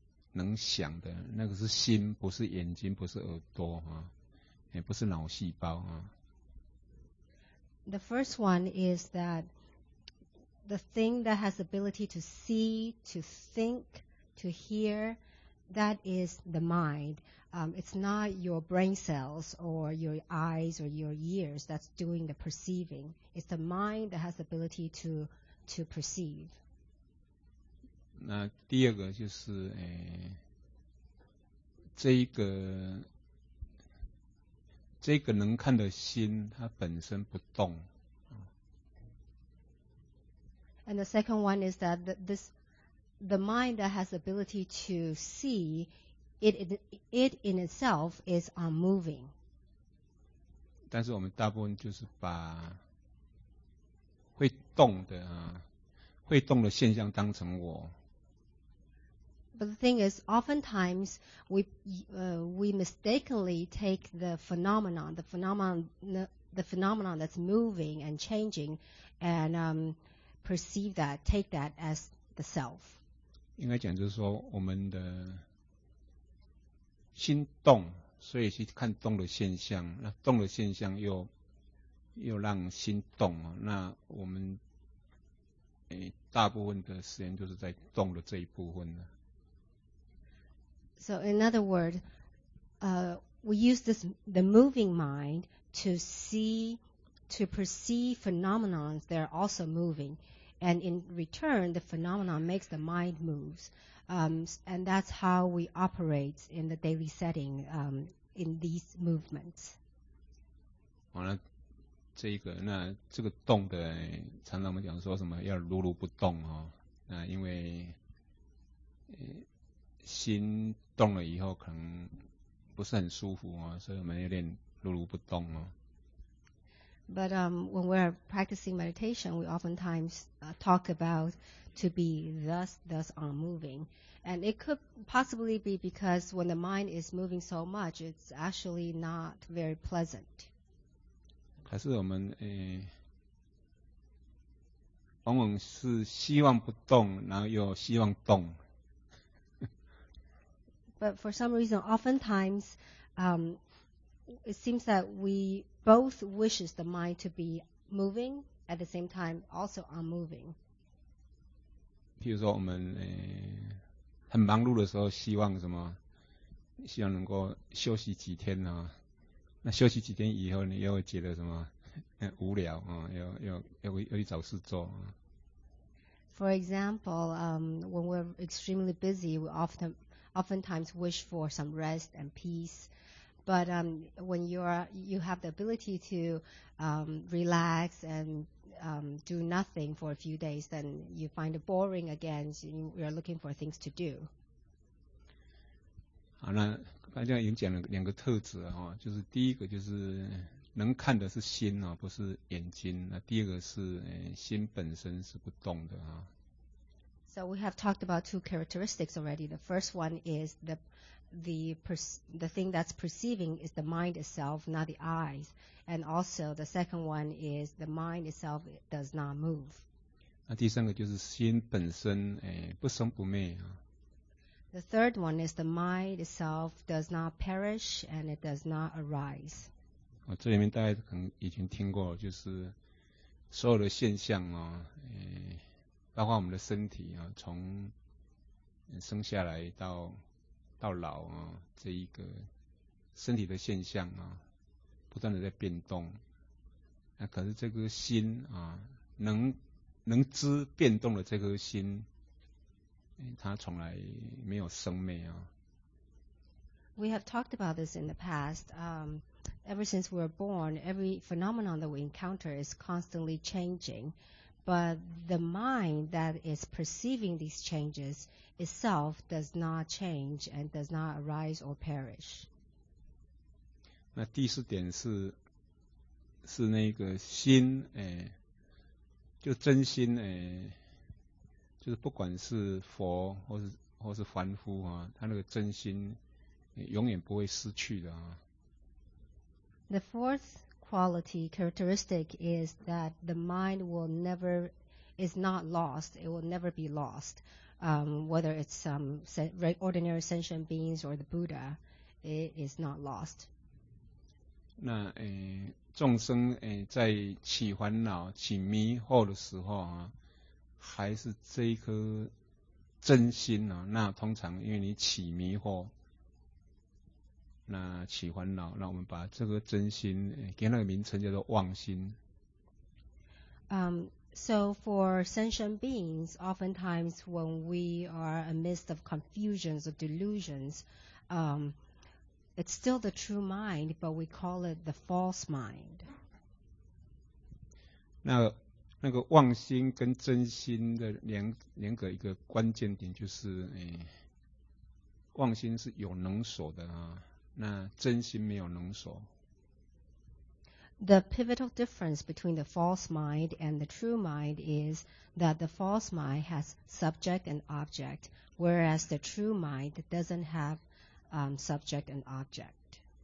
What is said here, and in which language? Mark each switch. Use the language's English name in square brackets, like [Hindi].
[Chinese] 能想的那个是心，不是眼睛，不是耳朵啊，也不是脑细胞啊。 [English] The first one is that the thing that has ability to see, to think, to hear, that is the mind. It's not your brain cells or your eyes or your ears that's doing the perceiving. It's the mind that has ability to perceive. [Chinese] 那第二个就是，这个能看的心，它本身不动。 [English] And the second one is that the mind that has ability to see it in itself is unmoving. [Chinese] 但是我们大部分就是把会动的啊，会动的现象当成我。 [English] But the thing is, oftentimes we mistakenly take the phenomenon that's moving and changing, and perceive that, take that as the self. [Chinese] 应该讲就是说，我们的心动，所以去看动的现象，那动的现象又让心动，那我们大部分的时间就是在动的这一部分呢。 [English] So in other words, we use this the moving mind to see, to perceive phenomena that are also moving, and in return, the phenomena makes the mind moves, and that's how we operate in the daily setting, in these movements. [Chinese] 好了，这一个那这个动的，常常我们讲说什么要如如不动啊、哦，那因为心动了以后可能不是很舒服啊、哦，所以我们有点如如不动啊、哦。 [English] But when we're practicing meditation, we oftentimes talk about to be thus unmoving. And it could possibly be because when the mind is moving so much, it's actually not very pleasant. [Chinese] 还是我们往往是希望不动，然后又希望动。 [English] But for some reason, oftentimes, it seems that we both wishes the mind to be moving at the same time also unmoving. [Chinese] 譬如说我们很忙碌的时候希望什么希望能够休息几天啊，那休息几天以后你又会觉得什么无聊啊，又去找事做啊。 [English] For example, when we're extremely busy, we oftentimes wish for some rest and peace. But when you have the ability to relax and do nothing for a few days, then you find it boring again. So you are looking for things to do. [Chinese] 好，那刚才已经讲了两个特质哈、哦，就是第一个就是能看的是心啊、哦，不是眼睛。那第二个是心本身是不动的啊。 [English] So we have talked about two characteristics already. The first one is the thing that's perceiving is the mind itself, not the eyes. And also the second one is the mind itself does not move. [Chinese] 那第三个就是心本身不生不灭啊。 [English] The third one is the mind itself does not perish and it does not arise. [Chinese] 哦，这里面大家可能已经听过，就是所有的现象啊、哦，包括我们的身体啊，从生下来到老啊，这一个身体的现象啊，不断的在变动。那可是这颗心啊，能知变动的这颗心，它从来没有生灭啊。 [English] We have talked about this in the past. Ever since we were born, every phenomenon that we encounter is constantly changing. But the mind that is perceiving these changes itself does not change and does not arise or perish. [Chinese] 那第四点是那个心就真心就是不管是佛或是凡夫啊，他那个真心永远不会失去的啊。 [English] The fourth quality characteristic is that the mind is not lost, it will never be lost. Whether it's some ordinary sentient beings or the Buddha, it is not lost. [Chinese] 那众生在起烦恼、起迷惑的时候啊，还是这一颗真心啊。那通常因为你起迷惑，那起烦恼，那我们把这个真心给那个名称叫做妄心。 [English] So for sentient beings, oftentimes when we are amidst of confusions or delusions, it's still the true mind, but we call it the false mind. [Chinese] 那个妄心跟真心的两个一个关键点就是，妄心是有能所的啊，那真心没有能所。 [English] The pivotal difference between the false mind and the true mind is that the false mind has subject and object, whereas the true mind doesn't have subject and object.